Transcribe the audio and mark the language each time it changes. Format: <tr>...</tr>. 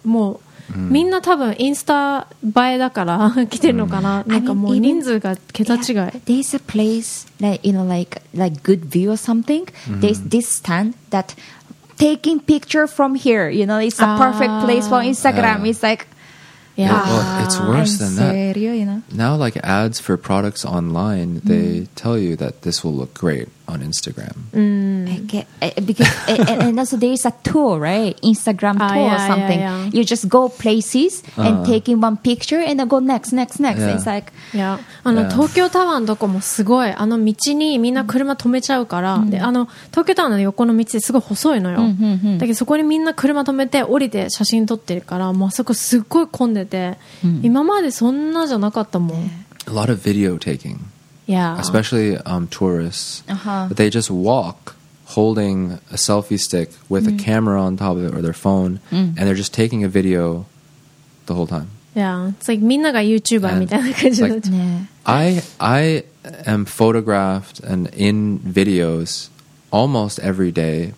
<ja>もうみんな多分インスタ映えだから来てるのかな。なんかもう人数が桁違い。</ja> <en>There's a place that, you know, like good view or something. There's this stand that. Taking picture from here, you know, it's a perfect place for Instagram. It's like, It's worse than that.</en> <es>Serio,</es> <en>you know? Now, like, ads for products online, they tell you that this will look great on Instagram. And also, there's a tour, right? Instagram tour or something. You just go places and taking one picture and then go next. Yeah. It's like,</en> <ja>Tokyo Tower のとこもすごい。あの道にみんな車止めちゃうから。で、あの、東京タワーの横の道すごい細いのよ。だけどそこにみんな車止めて降りて写真撮ってるから、もうあそこすっごい混んでて、今までそんなじゃなかったもん。</ja> <en>A lot of video taking. Yeah. Especially tourists. But they just walk holding a selfie stick with a camera on top of it or their phone, and they're just taking a video the whole time. Yeah, it's like</en> <ja>みんなが YouTuber みたいな感じだった。</ja> <en>I am photographed and in videos almost every day.</en>